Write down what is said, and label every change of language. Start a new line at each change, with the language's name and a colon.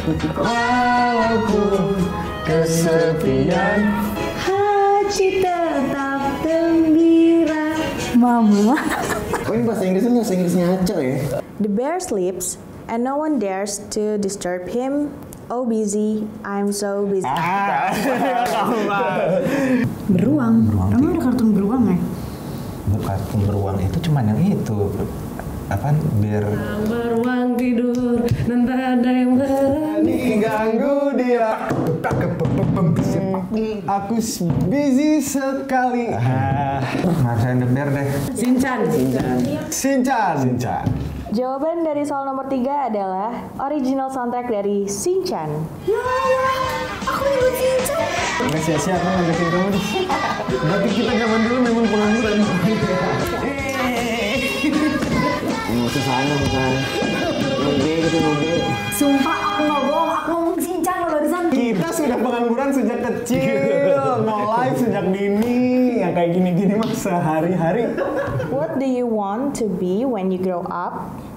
Indonesian: Walaupun kesepian, Haji tetap gembira. Mama. Oh, ini bahasa Inggrisnya, bahasa Inggrisnya aja ya.
English: The bear sleeps and no one dares to disturb him. Oh busy, I'm so busy. Ah,
Indonesian: beruang. Emang ada kartun beruang ya? Kartun beruang itu cuma yang itu. Apa? Bear. Beruang tidur, nanti ada yang berani ganggu dia. Aku busy sekali. Masain
English: the bear
Indonesian: deh. Shinchan. Jawaban dari soal nomor 3 adalah original soundtrack dari Shinchan. Ya, aku ingin Shinchan. Enggak sia-sia aku ngajakin kamu. Berarti kita zaman dulu memang pengangguran. Mau ke sana, mau ke sana. Sumpah aku nggak bohong, aku ngomong Shinchan loh barusan. Kita sudah pengangguran sejak kecil, mulai sejak dini. Yang kayak gini-gini mah sehari-hari.
English: What do you want to be when you grow up?